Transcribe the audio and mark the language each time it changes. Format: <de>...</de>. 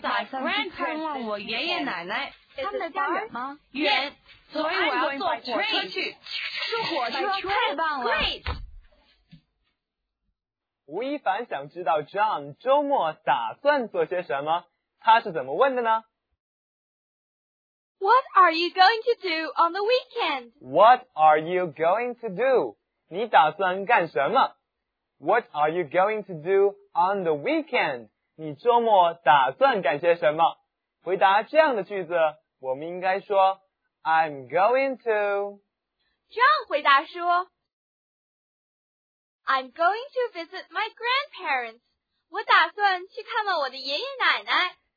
<zh>我打算去看我爷爷奶奶。他们的家远吗？远，所以我要坐火车去。坐火车太棒了。</zh> <en>Great!</en> <zh>吴亦凡想知道 John 周末打算做些什么，他是怎么问的呢？</zh> <en>What are you going to do on the weekend? What are you going to do?</en> <zh>你打算干什么？</zh> <en>What are you going to do on the weekend?</en> <zh>你周末打算干些什么？回答这样的句子，我们应该说</zh> <en>I'm going to. John</en> <zh>回答说</zh> <en>I'm going to visit my grandparents.</en> <zh>我打算去看望我的爷爷奶奶。</zh>